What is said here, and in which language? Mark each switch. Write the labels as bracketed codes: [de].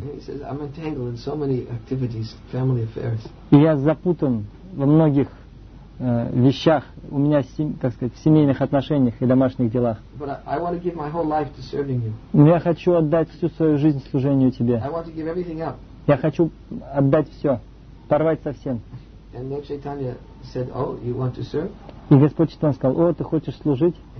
[en] He says I'm entangled in so many activities, family affairs. [ru] И я запутан во многих вещах, у меня, как сказать, в семейных отношениях и домашних делах. [en] But I want to give my whole life to serving you. [ru] Но я хочу отдать всю свою жизнь служению тебе. [en] I want to give everything up. [ru] Я хочу отдать все, порвать совсем. [en] And Lord Chaitanya said, "Oh, you want to serve?" [ru] И Господь Чайтанья сказал, о, ты хочешь служить?